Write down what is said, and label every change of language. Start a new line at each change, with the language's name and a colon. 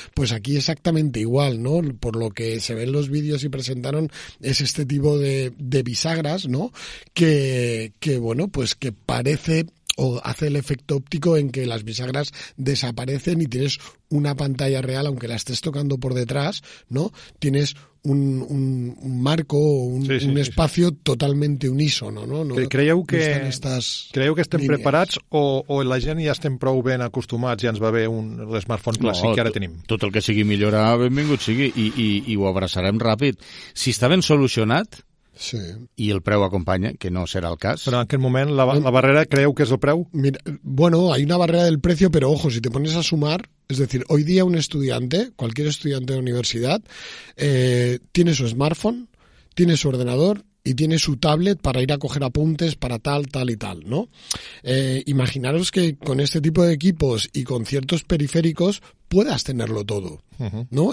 Spanish: Pues aquí exactamente igual, ¿no? Por lo que se ven los vídeos y presentaron, es este tipo de bisagras, ¿no?, que bueno, pues que parece o hace el efecto óptico en que las bisagras desaparecen y tienes una pantalla real, aunque la estés tocando por detrás, ¿no?, tienes un marco o un espacio totalmente unísono, ¿no?
Catalan: No, creieu que estem línies. Preparats o la gent ja estem prou ben acostumats i ja ens va bé un smartphone clàssic que ara tenim? Tot el que sigui millorar, benvingut sigui, i ho abraçarem ràpid. Si està ben solucionat, sí, i el preu acompanya, que no serà el cas. Però en aquest moment la barrera, creieu que és el preu?
Spanish: Mira, bueno, hay una barrera del precio, pero ojo, si te pones a sumar. Es decir, hoy día un estudiante, cualquier estudiante de universidad, tiene su smartphone, tiene su ordenador y tiene su tablet para ir a coger apuntes para tal, tal y tal, ¿no? Imaginaros que con este tipo de equipos y con ciertos periféricos puedas tenerlo todo, ¿no?